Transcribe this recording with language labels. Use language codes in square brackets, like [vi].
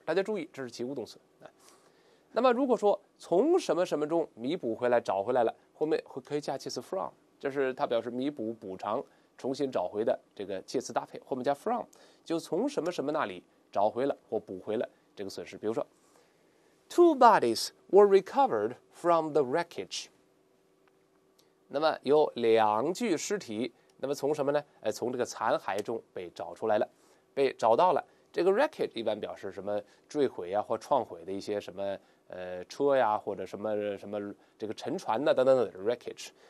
[zh] 大家注意，这是及物动词。那么如果说从什么什么中弥补回来，找回来了，后面会可以加介词 from，这是它表示弥补、补偿、重新找回的这个介词搭配，后面加 from， 就从什么什么那里找回了或补回了这个损失。比如说 [en] ，Two bodies were recovered from the wreckage。 [zh] 那么有两具尸体，那么从什么呢？从这个残骸中被找出来了，被找到了。这个 wreckage 一般表示什么坠毁呀、或撞毁的一些什么车呀，或者什么什么这个沉船呢等等等 wreckage。